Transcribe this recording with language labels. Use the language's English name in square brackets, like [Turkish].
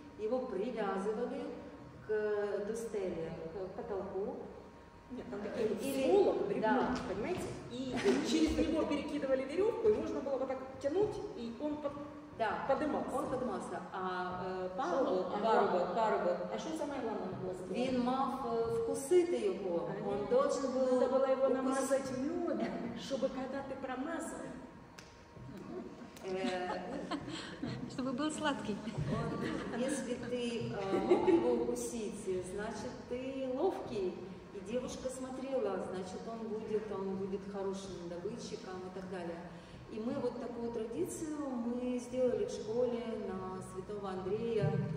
[Russian] Его привязывали к дустеле, к потолку. Нет, там такой сволок, вот бревно, да. Понимаете? И через него перекидывали веревку, и можно было вот так тянуть, и он поднимался. Да, он поднимался. А парубок. А что самое главное было? [Ukrainian] Він мав вкусити його. Він должен був... Надо було його намазати медом, щоб когда ти промазав. [Russian] Чтобы был сладкий. Если ты мог его укусить, значит, ты ловкий. И девушка смотрела, значит, он будет хорошим добытчиком и так далее. И мы вот такую традицию мы сделали в школе на Святого Андрея.